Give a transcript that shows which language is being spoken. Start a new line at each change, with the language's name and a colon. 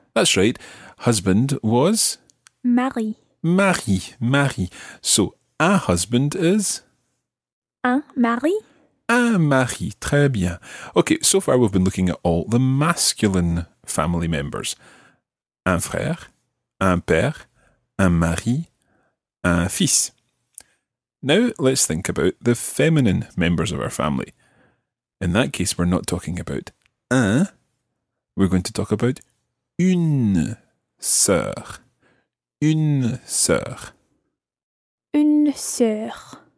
English: That's right. Husband was?
French: Mari. Mari. Mari.
English: So, un husband is?
French: Un mari. Un mari, très bien.
English: Okay, so far we've been looking at all the masculine family members.
French: Un frère, un père, un mari, un fils.
English: Now let's think about the feminine members of our family. In that case, we're not talking about un, we're going to talk about
French: une sœur. Une sœur. Une sœur.